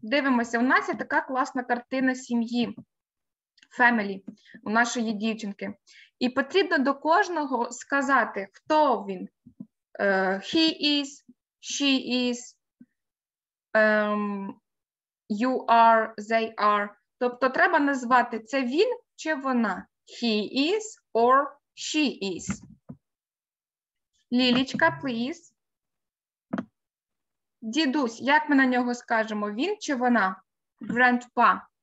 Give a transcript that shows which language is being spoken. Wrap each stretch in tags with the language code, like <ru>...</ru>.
<uk>Дивимося, у нас є така класна картина сім'ї, family, у нашої дівчинки. І потрібно до кожного сказати, хто він.</uk> <en>He is, she is, you are, they are.</en> <uk>Тобто треба назвати, це він чи вона.</uk> <en>He is or she is. Лілічка, please.</en> <uk>Дідусь, як ми на нього скажемо, він чи вона? Grandpa.</uk>